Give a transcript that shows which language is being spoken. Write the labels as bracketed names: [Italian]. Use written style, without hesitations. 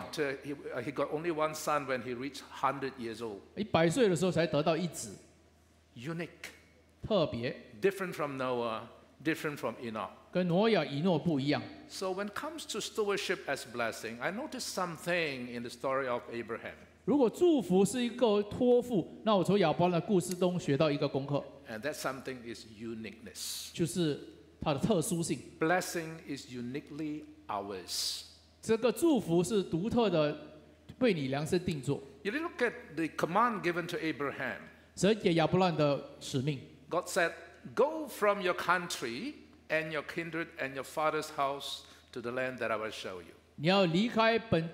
[English] After he got only one son when he reached 100 years old. [Chinese] 100岁的时候才得到一子。 [English] Unique. [Chinese] 特别。 [English] Different from Noah, different from Enoch. [Chinese] 跟挪亚、以诺不一样。 [English] So when it comes to stewardship as blessing, I noticed something in the story of Abraham. [Chinese] 如果祝福是一个托付, 那我从亚伯拉的故事中学到一个功课。 [English] And that something is uniqueness. [Chinese] 就是 [English] Blessing is uniquely ours. [Chinese] 这个祝福是独特的，为你量身定做。 [English] If you look at the command given to Abraham, [Chinese] 神给亚伯兰的使命。 [English] God said, "Go from your country and your kindred and your father's house to the land that I will show you."